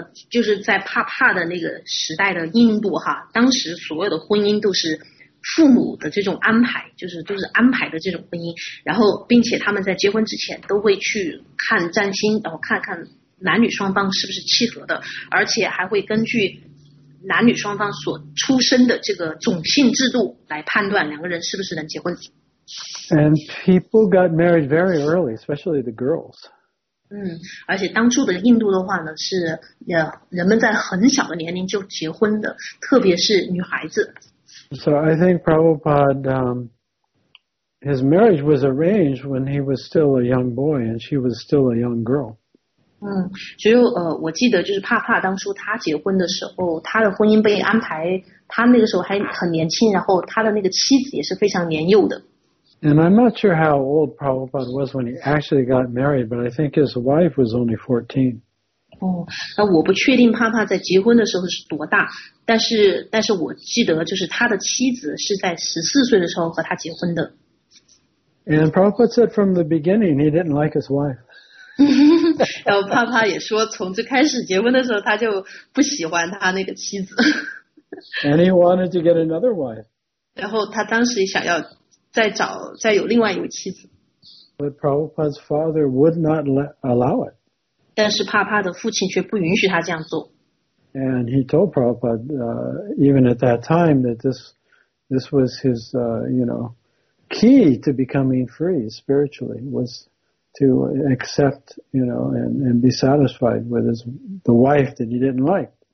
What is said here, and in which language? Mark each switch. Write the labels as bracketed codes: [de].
[zh] 就是在帕帕的那个时代的印度哈，当时所有的婚姻都是父母的这种安排，就是安排的这种婚姻，然后并且他们在结婚之前都会去看占星，然后看看男女双方是不是契合的，而且还会根据男女双方所出生的这个种姓制度来判断两个人是不是能结婚。 [en] And people got married very early, especially the girls. [zh] 而且当初的印度的话呢，是人们在很小的年龄就结婚的，特别是女孩子。 [en] So I think Prabhupada, his marriage was arranged when he was still a young boy and she was still a young girl. [zh] 所以我记得就是帕帕当初他结婚的时候，他的婚姻被安排，他那个时候还很年轻，然后他的那个妻子也是非常年幼的。 [en] And I'm not sure how old Prabhupada was when he actually got married, but I think his wife was only 14. [zh] 那我不确定帕帕在结婚的时候是多大。但是我记得就是他的妻子是在14岁的时候和他结婚的。 [en] And Prabhupada said from the beginning he didn't like his wife. [zh] 然后帕帕也说从最开始结婚的时候他就不喜欢他那个妻子。 [en] And he wanted to get another wife. [zh] 然后他当时想要再有另外一位妻子。 [en] But Prabhupada's father would not allow it. [zh] 但是帕帕的父亲却不允许他这样做。 [en] And he told Prabhupada, even at that time, that this was his, you know, key to becoming free spiritually, was to accept, you know, and be satisfied with the wife that he didn't like.